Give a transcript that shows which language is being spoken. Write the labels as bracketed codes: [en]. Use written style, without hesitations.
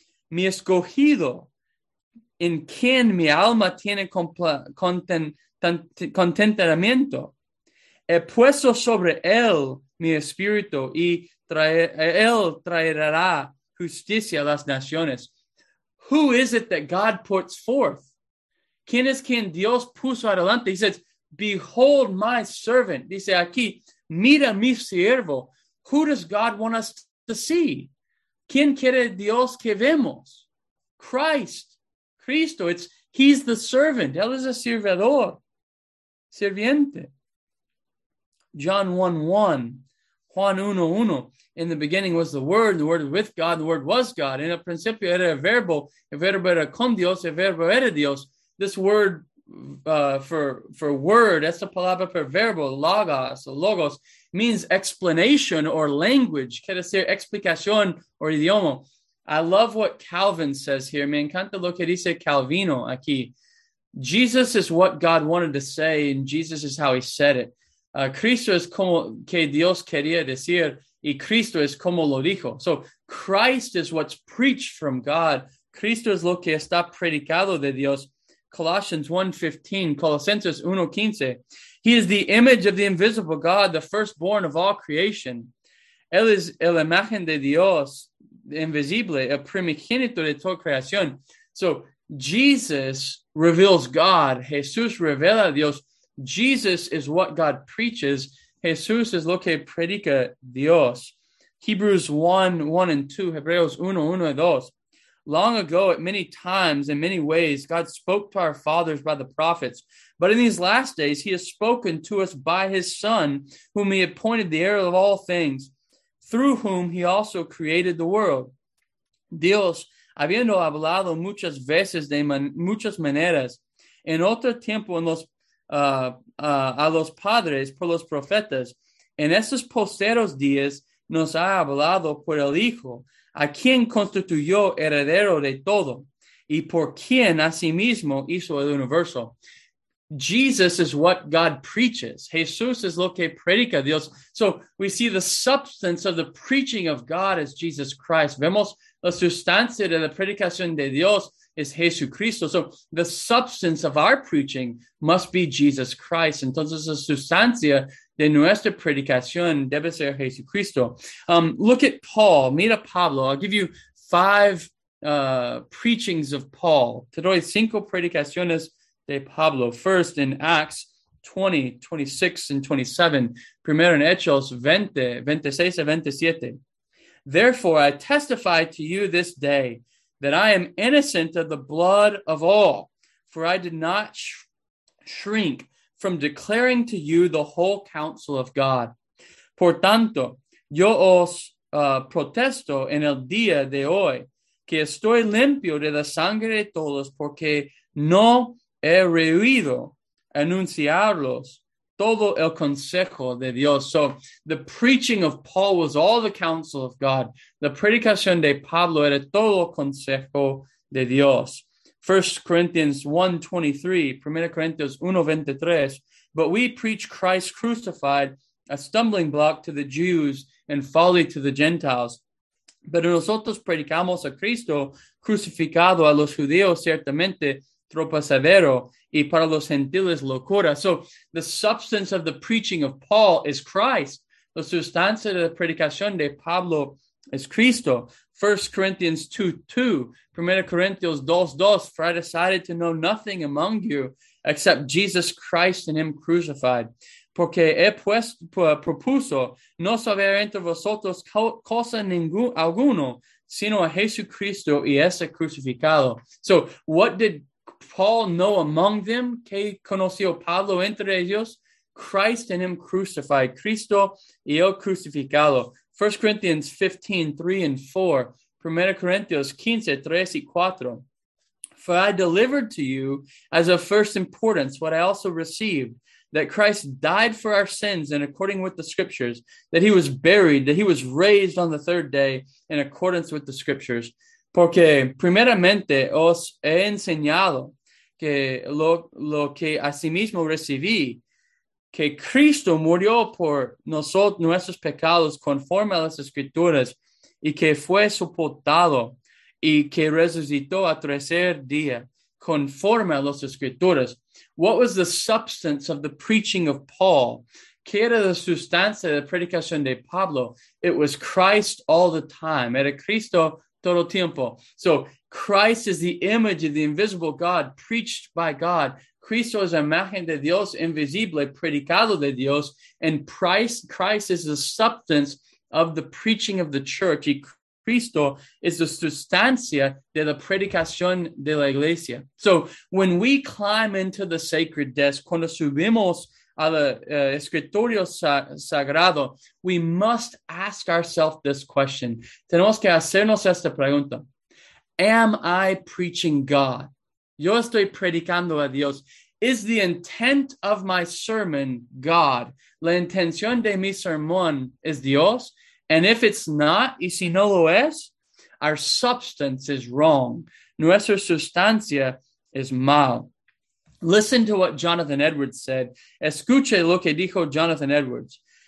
[es] Mi escogido, en quien mi alma tiene contentamiento, he puesto sobre él mi espíritu y él traerá justicia a las naciones. [en] Who is it that God puts forth? [es] ¿Quién es quien Dios puso adelante? [en] He says, behold my servant. [es] Dice aquí, mira mi siervo. [en] Who does God want us to see? [es] ¿Quién quiere Dios que vemos? [en] Christ. Cristo. He's the servant. [es] Él es el servidor. Serviente. John 1:1. Juan 1:1. [en] In the beginning was the Word with God, the Word was God. [es] En el principio era el verbo era con Dios, el verbo era Dios. [en] This word for word, [es] esta palabra per verbo, [en] logos, or logos, means explanation or language. [es] Quiere decir explicación or idioma. [en] I love what Calvin says here. [es] Me encanta lo que dice Calvino aquí. [en] Jesus is what God wanted to say, and Jesus is how he said it. [es] Cristo es como que Dios quería decir, y Cristo es como lo dijo. [en] So Christ is what's preached from God. [es] Cristo es lo que está predicado de Dios. [en] Colossians 1:15, Colossenses 1:15. He is the image of the invisible God, the firstborn of all creation. [es] Él es la imagen de Dios, invisible, el primogénito de toda creación. [en] So Jesus reveals God. [es] Jesús revela a Dios. [en] Jesus is what God preaches. [es] Jesús es lo que predica Dios. [en] Hebrews 1:1-2, Hebreos 1:1-2. Long ago, at many times, in many ways, God spoke to our fathers by the prophets. But in these last days, he has spoken to us by his Son, whom he appointed the heir of all things, through whom he also created the world. [es] Dios, habiendo hablado muchas veces de muchas maneras, en otro tiempo en los, a los padres por los profetas, en estos posteros días nos ha hablado por el Hijo, a quien constituyó heredero de todo, y por quien asimismo hizo el universo. [en] Jesus is what God preaches. [es] Jesús es lo que predica Dios. [en] So we see the substance of the preaching of God is Jesus Christ. [es] Vemos la sustancia de la predicación de Dios es Jesucristo. [en] So the substance of our preaching must be Jesus Christ. [es] Entonces la sustancia de nuestra predicación debe ser Jesucristo. [en] Look at Paul. [es] Mira Pablo. [en] I'll give you five preachings of Paul. [es] Te doy cinco predicaciones de Pablo. [en] First in Acts 20, 26 and 27. [es] Primero en Hechos 20, 26 and 27. [en] Therefore, I testify to you this day that I am innocent of the blood of all, for I did not shrink from declaring to you the whole counsel of God. [es] Por tanto, yo os protesto en el día de hoy que estoy limpio de la sangre de todos, porque no he rehuido anunciarlos todo el consejo de Dios. [en] So the preaching of Paul was all the counsel of God. [es] The predicación de Pablo era todo consejo de Dios. [en] 1 Corinthians 1:23, 1 Corinthians 1:23, but we preach Christ crucified, a stumbling block to the Jews and folly to the Gentiles. [es] Pero nosotros predicamos a Cristo crucificado, a los judíos ciertamente tropezadero y para los gentiles locura. [en] So the substance of the preaching of Paul is Christ. [es] La sustancia de la predicación de Pablo es Cristo. [en] 1 Corinthians 2:2, 1 Corinthians 2:2, for I decided to know nothing among you except Jesus Christ and him crucified. [es] Porque he propuso no saber entre vosotros cosa alguno, sino a Jesucristo y ese crucificado. [en] So what did Paul know among them? [es] ¿Qué conoció Pablo entre ellos? [en] Christ and him crucified. [es] Cristo y el crucificado. [en] 1 Corinthians 15:3 and 4. 1 Corinthians 15:3 y 4. For I delivered to you as of first importance what I also received, that Christ died for our sins in accordance with the scriptures, that he was buried, that he was raised on the third day in accordance with the scriptures. [es] Porque primeramente os he enseñado que lo que asimismo recibí, que Cristo murió por nosotros nuestros pecados conforme a las escrituras, y que fue sepultado, y que resucitó al tercer día conforme a las escrituras. [en] What was the substance of the preaching of Paul? [es] ¿Qué era la sustancia de la predicación de Pablo? [en] It was Christ all the time. [es] Era Cristo todo el tiempo. [en] So Christ is the image of the invisible God preached by God. [es] Cristo es la imagen de Dios invisible, predicado de Dios. [en] And Christ is the substance of the preaching of the church. Y Cristo is the [es] sustancia de la predicación de la iglesia. [en] So when we climb into the sacred desk, [es] cuando subimos al escritorio sagrado, [en] we must ask ourselves this question. [es] Tenemos que hacernos esta pregunta. [en] Am I preaching God? [es] Yo estoy predicando a Dios. [en] Is the intent of my sermon God? [es] La intención de mi sermón es Dios. [en] And if it's not, [es] y si no lo es, [en] our substance is wrong. [es] Nuestra sustancia es mal. [en] Listen to what Jonathan Edwards said. [es] Escuche lo que dijo Jonathan Edwards.